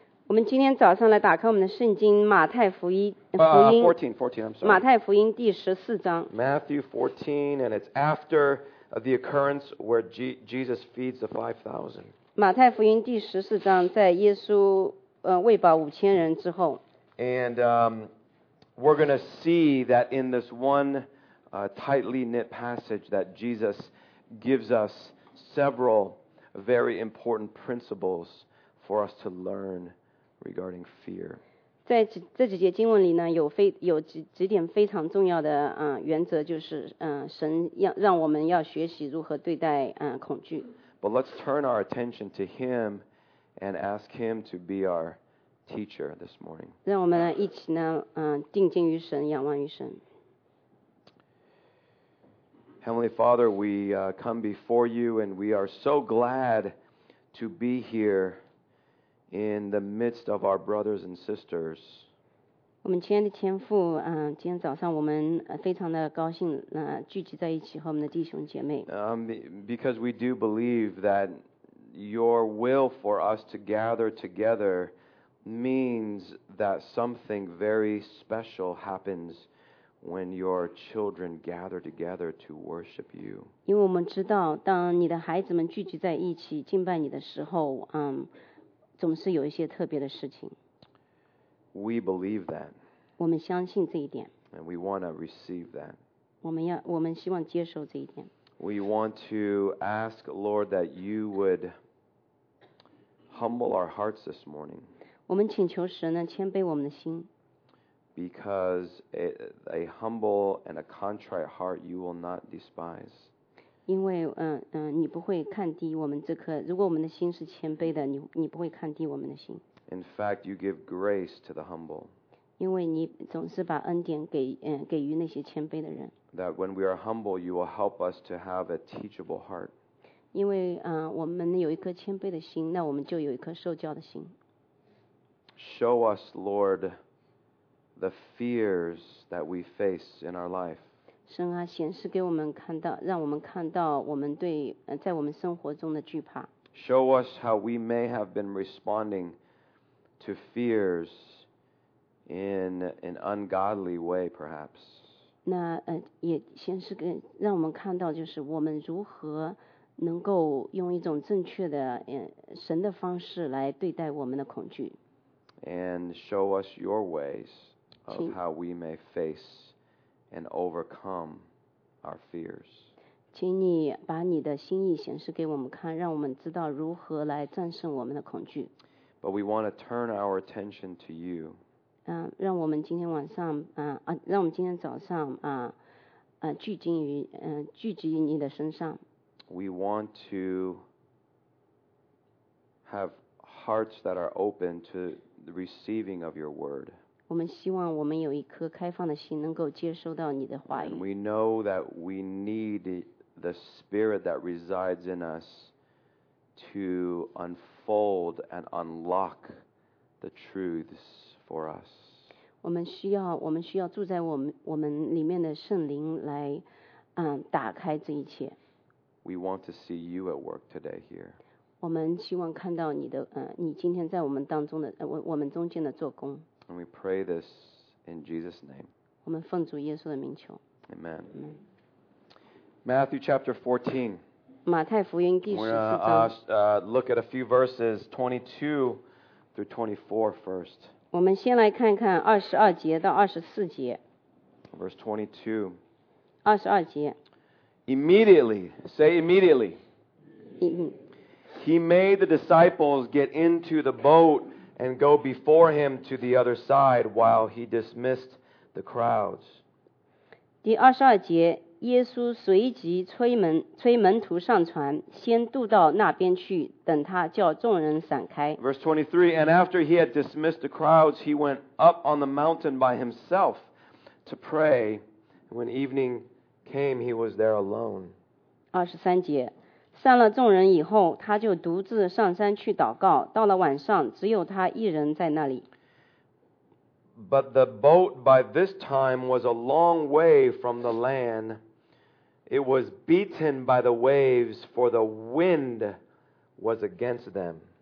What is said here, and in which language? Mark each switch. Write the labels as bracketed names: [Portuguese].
[Chinese] 我们今天早上来打开我们的圣经马太福音。 [English] 14, I'm sorry. [Chinese] 马太福音第十四章。 [English] Matthew 14, and it's after the occurrence where Jesus feeds the 5,000. [Chinese] 马太福音第十四章，在耶稣喂饱五千人之后。 [English] And we're going to see that in this one tightly knit passage that Jesus gives us several. Very important principles for us to learn regarding fear. [Chinese] 在这几节经文里呢，有几点非常重要的原则，就是神让我们要学习如何对待恐惧。 [English] But let's turn our attention to Him and ask Him to be our teacher this morning. [Chinese] 让我们一起呢，定睛于神，仰望于神。 [English] Heavenly Father, we come before you and we are so glad to be here in the midst of our brothers and sisters. [Chinese] 我们亲爱的天父，今天早上我们非常的高兴聚集在一起和我们的弟兄姐妹。 [English] Because we do believe that your will for us to gather together means that something very special happens. When your children gather together to worship you, [Chinese] 因为我们知道，当你的孩子们聚集在一起敬拜你的时候，总是有一些特别的事情。 [English] We believe that. [Chinese] 我们相信这一点。 [English] And we want to receive that. [Chinese] 我们希望接受这一点。 [English] We want to ask Lord that you would humble our hearts this morning. [Chinese] 我们请求神呢，谦卑我们的心。 [English] Because a humble and a contrite heart you will not despise. [Chinese] 因为你不会看低我们这颗，如果我们的心是谦卑的，你不会看低我们的心。 [English] In fact, you give grace to the humble. [Chinese] 因为你总是把恩典给予那些谦卑的人。 [English] That when we are humble, you will help us to have a teachable heart. [Chinese] 因为我们有一颗谦卑的心，那我们就有一颗受教的心。 [English] Show us, Lord,The fears that we face in our life. [Chinese] 神啊，显示给我们看到，让我们看到我们对在我们生活中的惧怕。 [English] Show us how we may have been responding to fears in an ungodly way, perhaps. [Chinese] 那也显示给让我们看到，就是我们如何能够用一种正确的神的方式来对待我们的恐惧。 [English] And show us your ways. Of how we may face and overcome our fears. [Chinese] 请你把你的心意显示给我们看，让我们知道如何来战胜我们的恐惧。 [English] But we want to turn our attention to you. [Chinese] 让我们今天晚上，让我们今天早上，聚集于你的身上。 [English] We want to have hearts that are open to the receiving of your word. [Chinese] 我们希望我们有一颗开放的心，能够接收到你的话语。 [English] And we know that we need the Spirit that resides in us to unfold and unlock the truths for us. [Chinese] 我们需要住在我们里面的圣灵来打开这一切。 [English] We want to see you at work today here. [Chinese] 我们希望看到你的你今天在我们当中的我们中间的做工。 [English] And we pray this in Jesus' name. [Chinese] 我们奉主耶稣的名求。 [English] Amen. Matthew chapter 14. [Chinese] 马太福音第十四章。 [English] We're going to look at a few verses 22 through 24 first. [Chinese] 我们先来看看二十二节到二十四节。 [English] Verse 22. [Chinese] 二十二节。 [English] Immediately, say immediately. He made the disciples get into the boat and go before him to the other side while he dismissed the crowds. [Chinese] 第二十二节，耶稣随即催门徒上船，先渡到那边去，等他叫众人散开。 [English] Verse 23, and after he had dismissed the crowds, he went up on the mountain by himself to pray. When evening came, he was there alone. [Chinese] 二十三节，散了众人以后，他就独自上山去祷告。到了晚上，只有他一人在那里。 [English] But the boat by this time was a long way from the land. It was beaten by the waves, for the wind was against them.